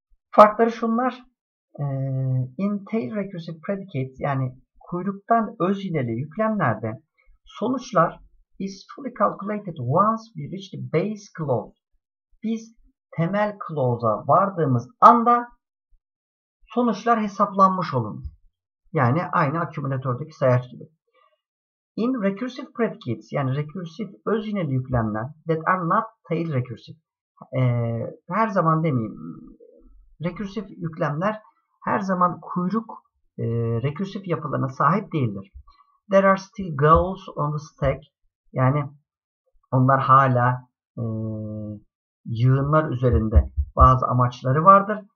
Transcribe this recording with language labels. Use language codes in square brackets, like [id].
[tr] Farkları şunlar. [en] In tail recursive predicate, [tr] yani kuyruktan öz yineli yüklemlerde sonuçlar [en] is fully calculated once we reach the base clause. [tr] Biz temel clause'a vardığımız anda sonuçlar hesaplanmış olunur. Yani aynı akümülatördeki sayaç gibi. [en] In recursive predicates, [tr] yani recursive öz yineli yüklemler [en] that are not tail recursive. [tr] Her zaman demeyeyim. Recursive yüklemler her zaman kuyruk recursive yapılarına sahip değildir. [en] There are still goals on the stack. [tr] Yani onlar hala yığınlar üzerinde bazı amaçları vardır.